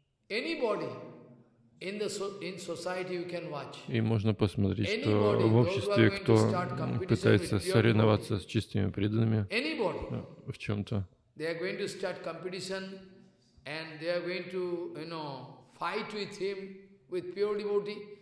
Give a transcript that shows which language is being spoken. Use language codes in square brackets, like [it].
[en] Anybody in the in society you can watch. [ru] И можно посмотреть, что в обществе кто пытается соревноваться с чистыми преданными в чем-то. [en] They are going to start competition and they are going to, you know, fight with him with pure devotee.